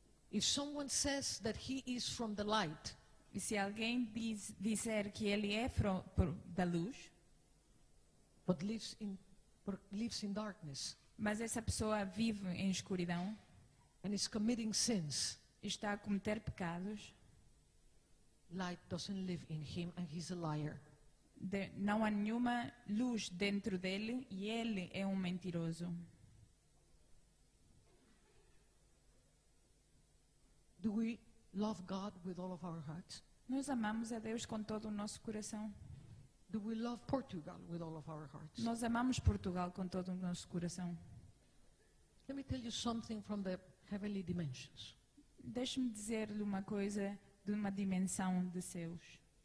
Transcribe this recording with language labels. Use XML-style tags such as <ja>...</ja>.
<en>If someone says that he is from the light,</en> <pt>e se alguém disser que ele é da luz,</pt> <en>but lives in darkness,</en> <pt>mas essa pessoa vive em escuridão,</pt> <en>and is committing sins,</en> <pt>está a cometer pecados,</pt> <en>light doesn't live in him and he's a liar.</en> <pt>Não há nenhuma luz dentro dele e ele é um mentiroso.</pt> <en>Do we love God with all of our hearts?</en> <pt>Nós amamos a Deus com todo o nosso coração.</pt> <en>Do we love Portugal with all of our hearts?</en> <pt>Nós amamos Portugal com todo o nosso coração.</pt> <en>Let me tell you something from the heavenly dimensions.</en> <pt>Deixe-me dizer-lhe uma coisa de uma dimensão de céus.</pt>